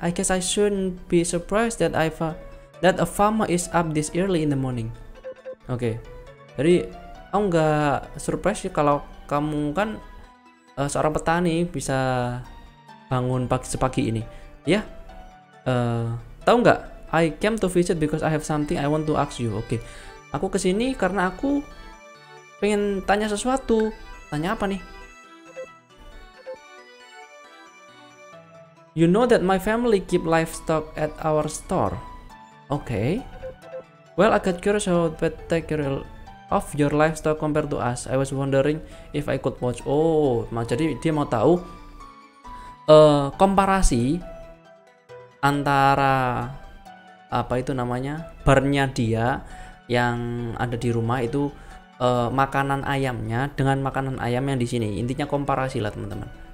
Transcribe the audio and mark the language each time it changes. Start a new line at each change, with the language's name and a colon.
English: I guess I shouldn't be surprised that a farmer is up this early in the morning.
Indonesian: Oke. Jadi aku gak surprise sih kalau kamu kan seorang petani bisa bangun pagi sepagi ini. Ya. Tahu enggak?
English: I came to visit because I have something I want to ask you.
Indonesian: Oke. Aku kesini karena aku pengen tanya sesuatu. Tanya apa nih?
English: You know that my family keep livestock at our store.
Indonesian: Oke.
English: Well, I got curious about the care of your livestock compared to us. I was wondering if I could watch.
Indonesian: Jadi dia mau tahu komparasi antara apa itu namanya barnya dia yang ada di rumah itu makanan ayamnya dengan makanan ayam yang di sini, intinya komparasi lah teman-teman.